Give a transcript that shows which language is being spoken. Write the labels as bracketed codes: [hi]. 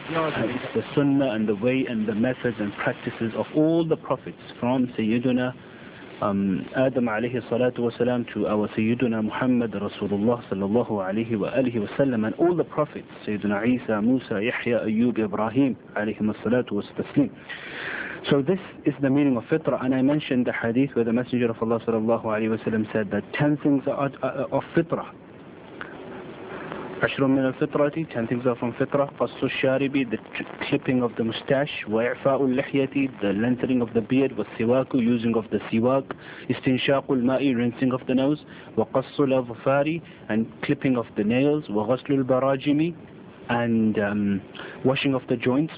[en] And it's the sunnah and the way and the methods and practices of all the prophets, from Sayyiduna Adam alayhi salatu wasalam to our Sayyiduna Muhammad Rasulullah sallallahu alayhi wa alihi wasallam, and all the prophets, Sayyiduna Isa, Musa, Yahya, Ayyub, Ibrahim alayhi salatu wasalam. So this is the meaning of fitrah, and I mentioned the hadith where the Messenger of Allah sallallahu alayhi wasallam said that 10 things are of fitrah. [ar] عشر من الفطرة، [en] 10 things are from [ar] فطرة. قص الشارب، [en] the clipping of the mustache. [ar] وإعفاء اللحية، [en] the lengthening of the beard. [ar] والسواك، [en] using of the سواك. [ar] استنشاق الماء، [en] rinsing of the nose. [ar] وقص الأظفار، [en] and clipping of the nails. [ar] وغسل البراجم، [en] and washing of the joints.